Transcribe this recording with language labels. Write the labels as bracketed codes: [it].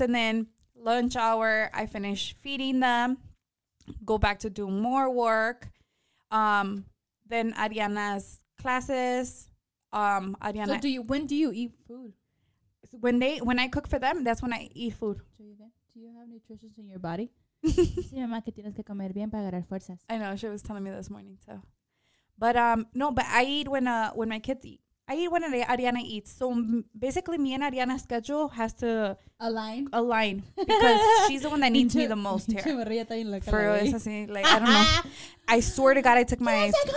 [en] And then lunch hour, I finish feeding them, go back to do more work. Then Ariana's classes. Ariana. So do you, when do you eat food? When I cook for them, that's when I eat food. Do you have nutrition in your body? [es] Sí, mamá, que tienes que comer bien para agarrar fuerzas. [en] I know, she was telling me this morning, so. But I eat when my kids eat. I eat when Ariana eats. So basically, me and Ariana's schedule has to align because she's the one that needs me the most here. For real, it's así, like, I don't know. I swear to God, I took my.